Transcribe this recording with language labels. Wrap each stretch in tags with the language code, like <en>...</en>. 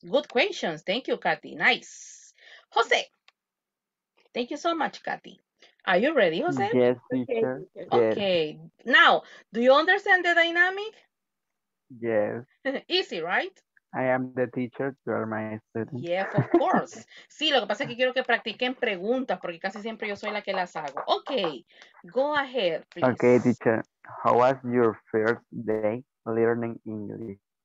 <en>Good questions. Thank you, Katy. Nice. Jose. Thank you so much, Katy. Are you ready, Jose? Yes, teacher. Okay. Yes. Now, do you understand the dynamic? Yes. Easy, right? I am the teacher, you are my student. Yes, of course.</en> <es>Sí, lo que pasa es que quiero que practiquen preguntas porque casi siempre yo soy la que las hago.</es> <en>Okay, go ahead, please. Okay, teacher, how was your first day learning English?</en>